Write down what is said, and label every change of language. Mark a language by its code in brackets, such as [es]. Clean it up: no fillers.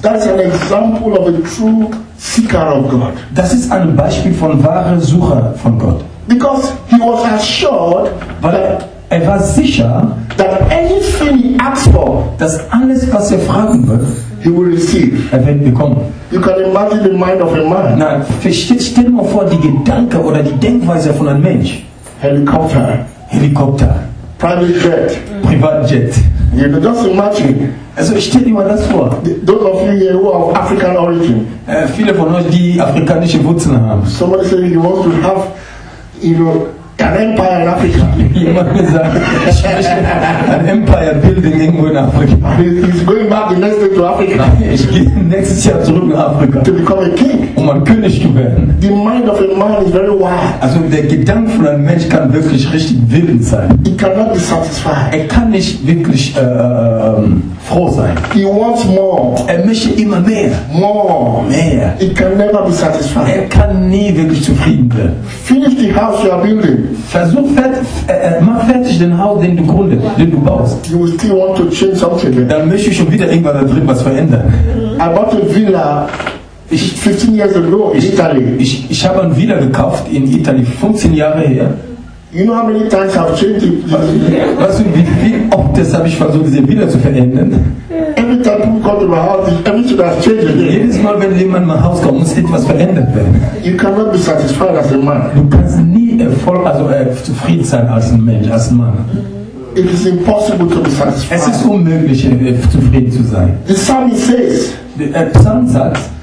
[en] That's an example of a true seeker of God. [de] Das ist ein Beispiel von wahrer Sucher von Gott. [en] Because he was assured that [de] Er war sicher, [en] that anything he asks for, [de] dass alles, was er fragen wird, [en] he will receive. [de] Er wird bekommen. [en] You can imagine the mind of a man. [de] Nein, stell mal vor die Gedanken oder die Denkweise von einem Mensch. [en] Helikopter. [de] Helikopter. [en] Private jet. Private jet. You can just imagine. [de] Also stell dir mal das vor. [en] Those of you here who are of African origin. [de] Viele von euch, die afrikanische Wurzeln haben. [en] Somebody said he wants to have, you know, an empire in Africa. [de] Jemand gesagt, ein [en] empire building [de] irgendwo in Afrika. [en] He's going back the next day to Africa. [de] Ich gehe nächstes Jahr zurück nach Afrika. [en] To become a king. [de] Um ein König zu werden. [en] The mind of a man is very wild. [de] Also der Gedanke von einem Mensch kann wirklich richtig wild sein. [en] He cannot be satisfied. [de] Er kann nicht wirklich froh sein. [en] He wants more. [de] Er möchte immer mehr. [en] More. [de] Mehr. [en] He can never be satisfied. [de] Er kann nie wirklich zufrieden werden. [en] Finish the house you are building. [de] Versuch mach fertig den Haus, den du gründest, den du baust. [en] You will still want to change something. [de] Dann möchte ich schon wieder irgendwas da drin was verändern. [en] I bought a villa 15 years ago in Italy. [de] Ich habe eine Villa gekauft in Italien 15 Jahre her. [en] You know how many times I've changed it? [de] Weißt du, wie oft das habe ich versucht, diese Villa zu verändern? [en] Every time people come to my house, everything has changed. [de] Jedes Mal, wenn jemand in mein Haus kommt, muss etwas verändert werden. [en] You cannot be satisfied as a man. [de] Du kannst nie zufrieden sein als ein Mensch, als ein Mann. [en] It is impossible to be satisfied. [de] Es ist unmöglich, zufrieden zu sein. [en] The psalmist says, [de] der Psalm sagt,